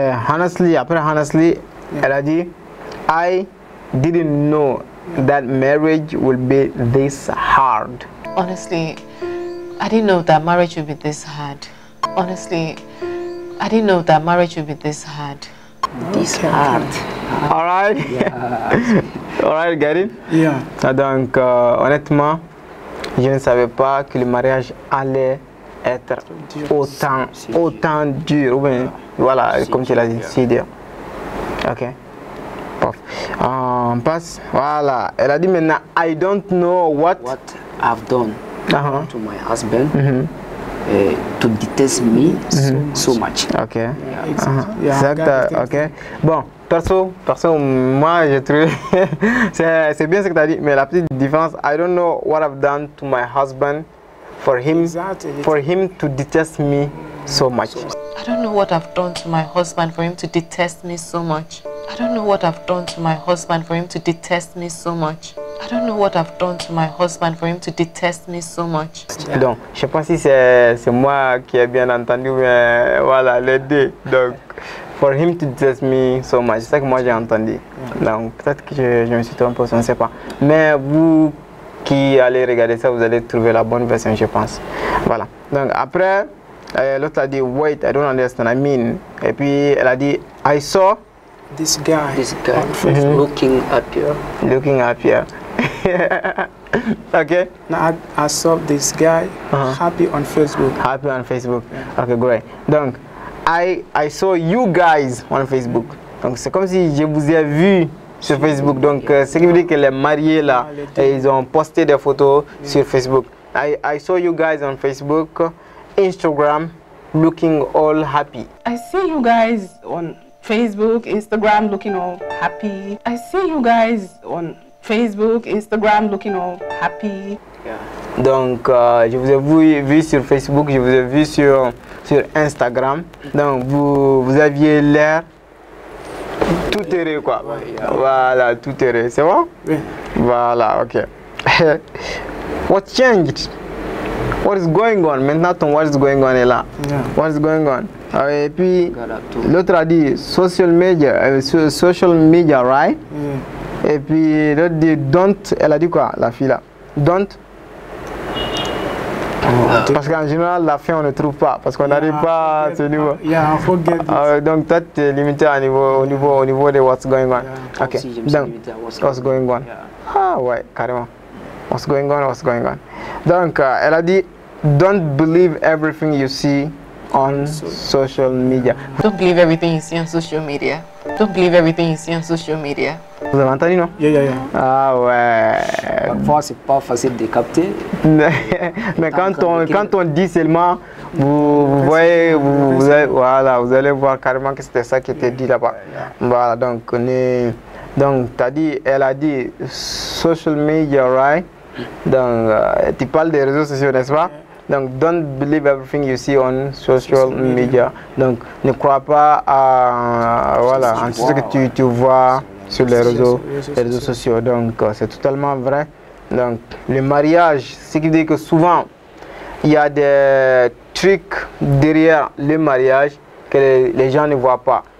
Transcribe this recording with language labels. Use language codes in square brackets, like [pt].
[en] Honestly, [fr] elle a dit, [en] I didn't know that marriage would be this hard. Honestly, I didn't know that marriage would be this hard. Honestly, I didn't know that marriage would be this hard. This hard. Alright. Yeah. Alright, get it? Yeah. [fr] Donc, honnêtement, je ne savais pas que le mariage allait être autant dur. Oui. Voilà, c'est comme tu l'as dit, c'est dur. Ok. Pof. On passe. Voilà. Elle a dit maintenant, [en] I don't know what I've done to my husband to detest me so much. Ok. Yeah, [fr] exactly. Exact. Ok. Bon, perso, moi j'ai trouvé. c'est bien ce que tu as dit, mais la petite différence, [en] I don't know what I've done to my husband for him to detest me so much. I don't know what I've done to my husband for him to detest me so much. I don't know what I've done to my husband for him to detest me so much. I don't know what I've done to my husband for him to detest me so much. Yeah. [fr] Donc, je sais pas si c'est moi qui ai bien entendu, mais voilà, les deux. [en] Donc, for him to detest me so much, [fr] c'est ça que moi j'ai entendu. [en] Yeah. [fr] Donc, peut-être que je me suis trompé, je ne sais pas. Mais vous qui allez regarder ça, vous allez trouver la bonne version, je pense. Voilà. Donc, après. L'autre a dit, [en] wait, I don't understand, I mean. [fr] Et puis elle a dit, [en] I saw this guy looking at you. Looking at you. Okay. Now I saw this guy happy on Facebook. Happy on Facebook. Yeah. Okay, great. Donc, I saw you guys on Facebook. [fr] Donc, c'est comme si je vous ai vu sur Facebook. Donc, ce qui veut dire que les mariés là, ils ont posté des photos sur Facebook. [en] I saw you guys on Facebook. Instagram looking all happy. I see you guys on Facebook, Instagram looking all happy. I see you guys on Facebook, Instagram looking all happy. Yeah. [fr] Donc, je vous ai vu sur Facebook, je vous ai vu sur Instagram. Donc, vous aviez l'air tout heureux, quoi. Ouais, yeah. Voilà, tout heureux. C'est bon? Oui. [en] Voilà, ok. What changed? What is going on? [fr] Maintenant, ton [en] what is going on [fr] est là. [en] Yeah. What is going on? [fr] Et puis, l'autre a dit [en] social media, right? Yeah. [fr] Et puis, l'autre dit don't. Elle a dit quoi, la fille là? Don't. Parce qu'en général, la fin, on ne trouve pas. Parce qu'on n'arrive pas à ce niveau. [en] Yeah, forget this. [fr] Donc, toi, tu es limité à au niveau de [en] what's going on. Yeah, okay. [fr] Aussi, donc, [en] what's going on? Yeah. [fr] Ah ouais, carrément. [en] What's going on? [fr] Donc, elle a dit, [en] don't believe everything you see on social media. Don't believe everything you see on social media. Don't believe everything you see on social media. [fr] Vous avez entendu, non? [en] Yeah. [fr] Ah ouais. Parfois, c'est pas facile de capter. Mais quand on dit seulement, vous allez voir carrément que c'était ça qui était dit là-bas. [en] Yeah. [fr] Voilà, donc, elle a dit, [en] social media, right? [fr] Donc, tu parles des réseaux sociaux, n'est-ce pas? [en] Donc, don't believe everything you see on social media. [fr] Donc, ne crois pas à tout ce que tu vois sur les réseaux sociaux. Donc, c'est totalement vrai. Donc, le mariage, ce qui dit que souvent, il y a des trucs derrière le mariage que les gens ne voient pas.